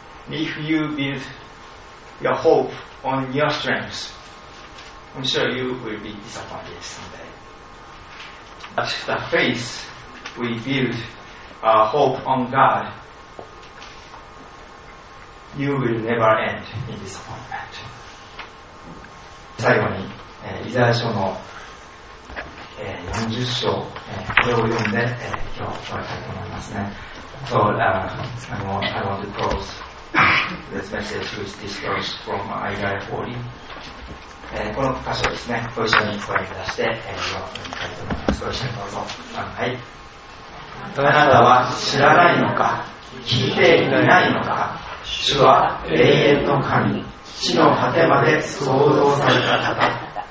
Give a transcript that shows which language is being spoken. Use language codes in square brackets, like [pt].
[en] If you build your hope on your strengthsI'm sure you will be disappointed someday. But the faith we build our hope on God, you will never end in disappointment. [ja] 最後に、イザヤ書の、40章、これを読んで、今日終わりたいと思いますね。 [en] So, I want to close this message with this verse from Isaiah 40. [ja] この箇所ですね、ご一緒にご覧下して、ご覧いただきます。ご一緒にどうぞ。はい。あなたは知らないのか、聞いていないのか。主は永遠の神、地の果てまで創造された方。